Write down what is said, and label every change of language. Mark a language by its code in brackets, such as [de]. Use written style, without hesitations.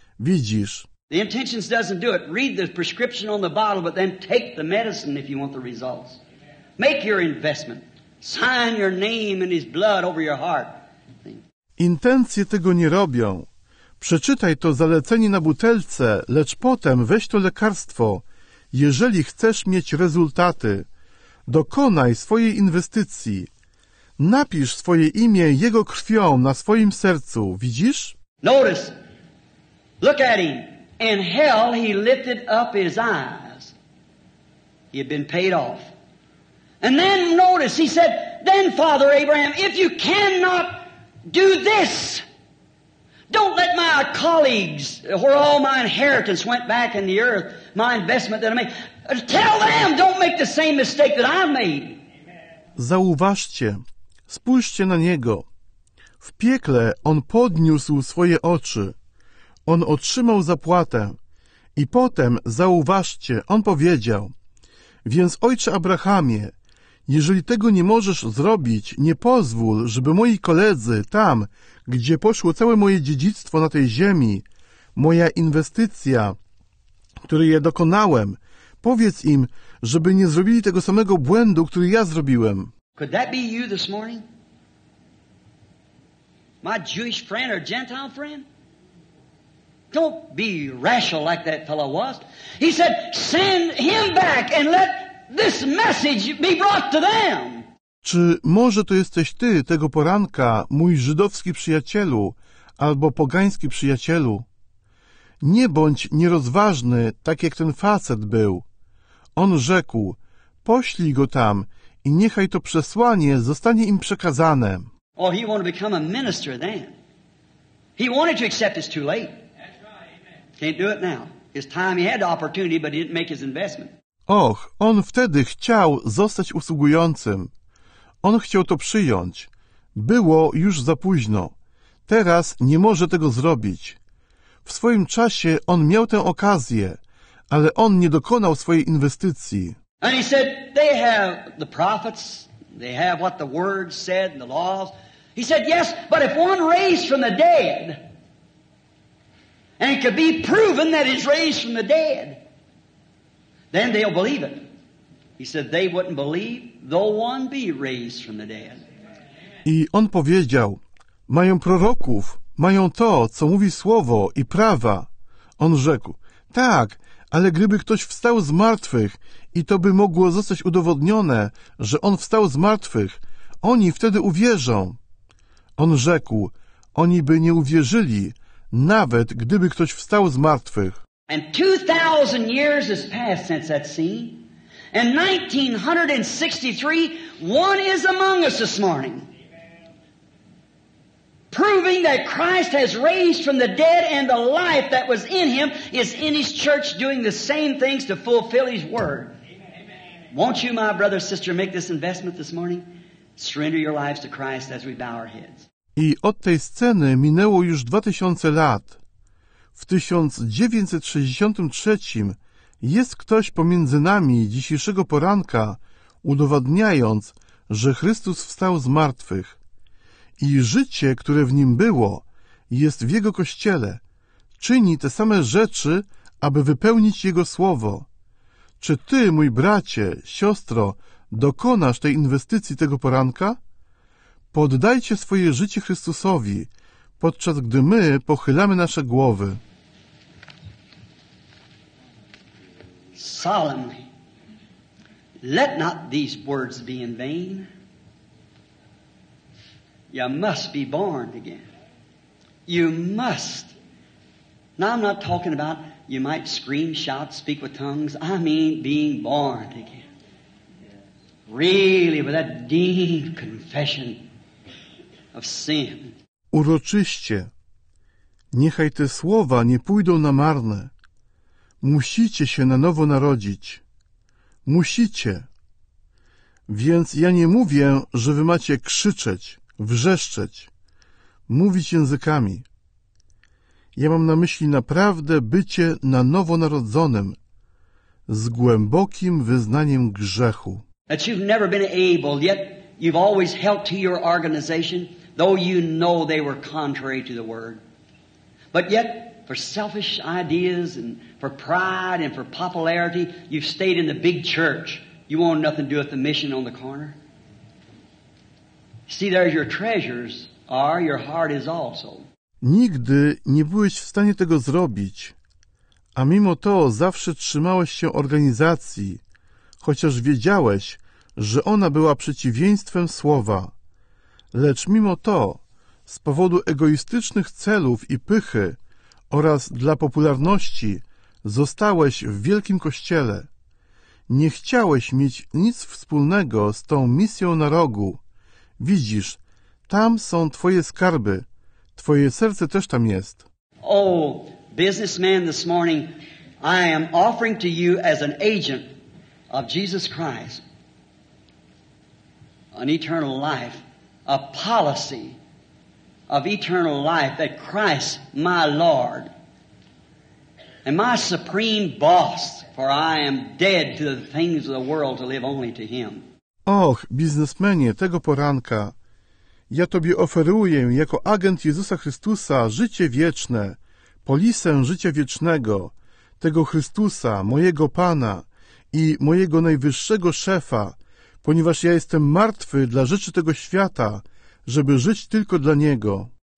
[pl] Widzisz. [en] The intentions doesn't do it. Read the prescription on the bottle, but then take the medicine if you want the results. Make your investment. Sign your name in his blood over your heart. [pl] Intencje tego nie robią. Przeczytaj to zalecenie na butelce, lecz potem weź to lekarstwo. Jeżeli chcesz mieć rezultaty, dokonaj swojej inwestycji. Napisz swoje imię jego krwią na swoim sercu. Widzisz? [en] Notice. Look at him. In hell he lifted up his eyes. He had been paid off. And then notice, he said, then Father Abraham, if you cannot do this, don't let my colleagues, where all my inheritance went back in the earth, my investment that I made, tell them, don't make the same mistake that I made. [pl] Zauważcie, spójrzcie na niego. W piekle on podniósł swoje oczy. On otrzymał zapłatę. I potem, zauważcie, on powiedział, więc ojcze Abrahamie, jeżeli tego nie możesz zrobić, nie pozwól, żeby moi koledzy tam, gdzie poszło całe moje dziedzictwo na tej ziemi, moja inwestycja, której ja dokonałem, powiedz im, żeby nie zrobili tego samego błędu, który ja zrobiłem. [en] Could that be you this morning? My Jewish friend or Gentile friend? Don't be rational like that fellow was. He said, send him back and let this message be brought to them. [pl] Czy może to jesteś ty tego poranka, mój żydowski przyjacielu, albo pogański przyjacielu? Nie bądź nierozważny, tak jak ten facet był. On rzekł, poślij go tam i niechaj to przesłanie zostanie im przekazane. [en] Oh, he wanted to become a minister then. He wanted to accept it's too late. Can't do it now. His time, he had the opportunity, but he didn't make his investment. [pl] Och, on wtedy chciał zostać usługującym. On chciał to przyjąć. Było już za późno. Teraz nie może tego zrobić. W swoim czasie on miał tę okazję, ale on nie dokonał swojej inwestycji. [en] And he said, they have the prophets, they have what the word said and the laws. He said, yes, but if one raised from the dead, and it could be proven that he's raised from the dead, then they'll believe it. He said, they wouldn't believe though one be raised from the dead. [pl] I on powiedział, mają proroków, mają to, co mówi słowo i prawa. On rzekł, tak, ale gdyby ktoś wstał z martwych i to by mogło zostać udowodnione, że on wstał z martwych, oni wtedy uwierzą. On rzekł, oni by nie uwierzyli, nawet gdyby ktoś wstał z martwych. [en] And 2,000 years has passed since that scene. And 1963, one is among us this morning. proving that Christ has raised from the dead and the life that was in him is in his church doing the same things to fulfill his word. Amen. Won't you, my brother, sister, make this investment this morning? Surrender your lives to Christ as we bow our heads. [pl] I od tej sceny minęło już 2000 lat. W 1963 jest ktoś pomiędzy nami dzisiejszego poranka, udowadniając, że Chrystus wstał z martwych. I życie, które w nim było, jest w jego kościele. Czyni te same rzeczy, aby wypełnić jego słowo. Czy ty, mój bracie, siostro, dokonasz tej inwestycji tego poranka? Poddajcie swoje życie Chrystusowi, podczas gdy my pochylamy nasze głowy. [en] Solemnly, let not these words be in vain. You must be born again. You must. Now, I'm not talking about you might scream, shout, speak with tongues. I mean being born again. Really, with that deep confession of sin. [pl] Uroczyście. Niechaj te słowa nie pójdą na marne. Musicie się na nowo narodzić. Musicie. Więc ja nie mówię, że wy macie krzyczeć, wrzeszczeć, mówić językami. Ja mam na myśli naprawdę bycie na nowo narodzonym, z głębokim wyznaniem grzechu. [en] That you've never been able, yet you've always held to your organization, though you know they were contrary to the word. But yet, for selfish ideas and for pride and for popularity, you've stayed in the big church. You want nothing to do with the mission on the corner. See, there your treasures are, your heart is also. [pl] Nigdy nie byłeś w stanie tego zrobić, a mimo to zawsze trzymałeś się organizacji, chociaż wiedziałeś, że ona była przeciwieństwem słowa. Lecz mimo to, z powodu egoistycznych celów i pychy, oraz dla popularności zostałeś w wielkim kościele. Nie chciałeś mieć nic wspólnego z tą misją na rogu. Widzisz, tam są twoje skarby. Twoje serce też tam jest. [en] Oh, businessman this morning, I am offering to you as an agent of Jesus Christ an eternal life, a policy of eternal life that Christ, my Lord, and my supreme boss, for I am dead to the things of the world to live only to him. [pl] Och, biznesmenie, tego poranka, ja tobie oferuję jako agent Jezusa Chrystusa życie wieczne, polisę życia wiecznego, tego Chrystusa, mojego Pana i mojego najwyższego szefa, ponieważ ja jestem martwy dla rzeczy tego świata, żeby żyć tylko dla Niego.